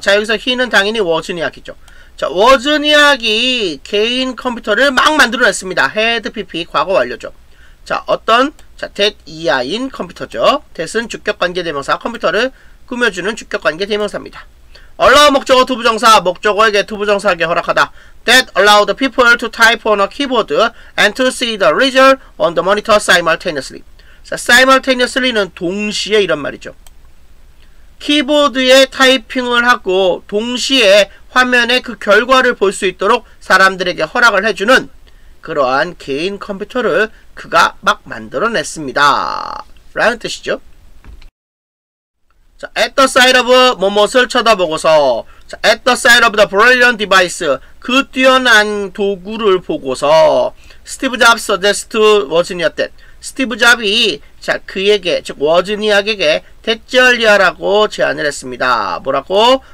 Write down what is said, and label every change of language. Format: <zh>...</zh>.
<ko>자, 여기서 he는 당연히 워즈니아크죠. 자, 워즈니아크가 개인 컴퓨터를 막 만들어냈습니다. had pp 과거 완료죠. 자, 어떤 자, that 이하인 컴퓨터죠. that은 주격관계 대명사, 컴퓨터를 꾸며주는 주격관계 대명사입니다. allow 목적어 to 부정사, 목적어에게 to 부정사에게 허락하다.</ko> <en>that allowed people to type on a keyboard and to see the result on the monitor simultaneously.</en> <ko>자, simultaneously는 동시에 이런 말이죠. 키보드에 타이핑을 하고 동시에 화면에 그 결과를 볼 수 있도록 사람들에게 허락을 해주는 그러한 개인 컴퓨터를 그가 막 만들어냈습니다. 라는 뜻이죠. 자,</ko> <en>at the side of</en> <ko>뭐뭐를 쳐다보고서 자,</ko> <en>at the side of the brilliant device</en> <ko>그 뛰어난 도구를 보고서 스티브 잡스</ko> <en>suggested Wozniak that</en> <ko>스티브 잡이 자, 그에게 즉 워즈니아크에게 대절리아라고 제안을 했습니다. 뭐라고?</ko>